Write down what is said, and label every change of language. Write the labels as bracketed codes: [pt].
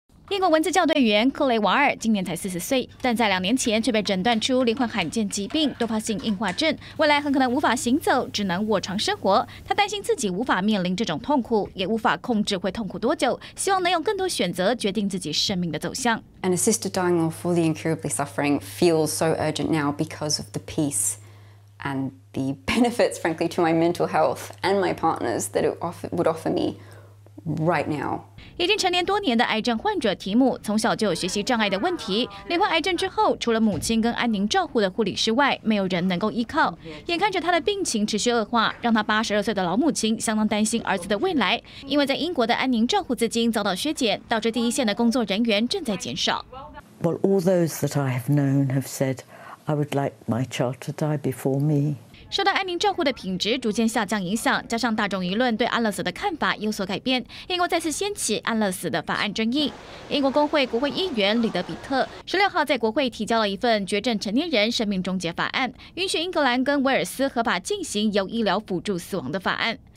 [zh] 英国文字校对员克雷瓦尔今年才40岁，但在两年前却被诊断出罹患罕见疾病多发性硬化症，未来很可能无法行走，只能卧床生活。他担心自己无法面临这种痛苦，也无法控制会痛苦多久，希望能有更多选择决定自己生命的走向。 [en] An assisted dying or for the incurably suffering feels so urgent now because of the peace and the benefits, frankly, to my mental health and my partner's that it would offer me right now. [zh] 已经成年多年的癌症患者提姆，从小就有学习障碍的问题。罹患癌症之后，除了母亲跟安宁照护的护理师外，没有人能够依靠。眼看着他的病情持续恶化，让他82岁的老母亲相当担心儿子的未来。因为在英国的安宁照护资金遭到削减，导致第一线的工作人员正在减少。 [en] Well, all those that I have known have said I would like my child to die before me. [zh] 受到安宁照护的品质逐渐下降影响，加上大众舆论对安乐死的看法有所改变，英国再次掀起安乐死的法案争议。英国工会国会议员里德比特16号在国会提交了一份绝症成年人生命终结法案，允许英格兰跟威尔斯合法进行由医疗辅助死亡的法案。